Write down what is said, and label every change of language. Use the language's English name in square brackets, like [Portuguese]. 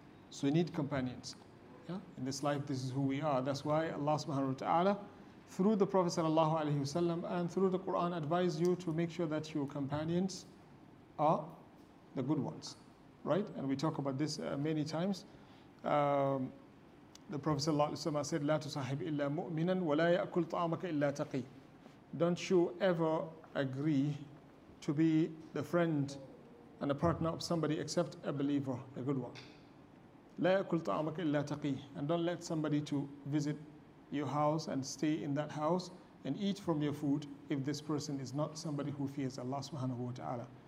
[English] So we need companions. Yeah? In this life, this is who we are. That's why Allah subhanahu wa ta'ala, through the Prophet sallallahu alayhi wa sallam, and through the Quran, advise you to make sure that your companions are the good ones. Right? And we talk about this many times. The Prophet sallallahu alayhi wa sallam said, [Arabic] لا تصاحب إلا مؤمنا ولا يأكل طعامك إلا تقي. [English] Don't you ever agree to be the friend and a partner of somebody except a believer, a good one. [Arabic] لا يأكل طعامك إلا تقي. [English] And don't let somebody to visit your house and stay in that house and eat from your food if this person is not somebody who fears Allah subhanahu wa ta'ala.